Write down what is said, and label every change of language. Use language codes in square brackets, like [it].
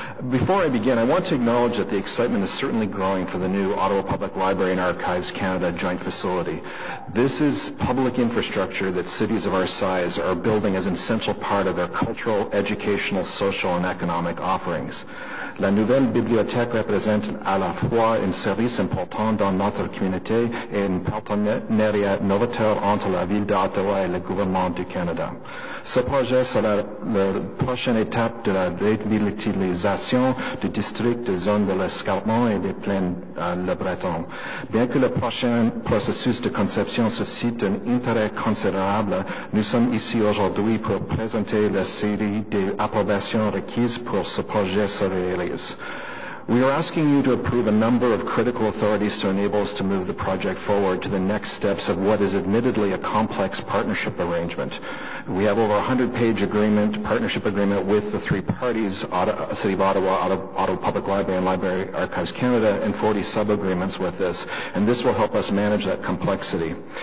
[en] Before I begin, I want to acknowledge that the excitement is certainly growing for the new Ottawa Public Library and Archives Canada joint facility. This is public infrastructure that cities of our size are building as an essential part of their cultural, educational, social, and economic offerings. [fr] La nouvelle bibliothèque représente à la fois un service important dans notre communauté et un partenariat novateur entre la ville d'Ottawa et le gouvernement du Canada. Ce projet sera la prochaine étape de la réutilisation du district de zone de l'escarpement et des plaines à Le Breton. Bien que le prochain processus de conception suscite un intérêt considérable, nous sommes ici aujourd'hui pour présenter la série d'approbations requises pour ce projet se réalise. [en] We are asking you to approve a number of critical authorities to enable us to move the project forward to the next steps of what is admittedly a complex partnership arrangement. We have over a 100-page agreement, partnership agreement with the three parties, City of Ottawa, Ottawa Public Library, and Library Archives Canada, and 40 sub-agreements with this, and this will help us manage that complexity.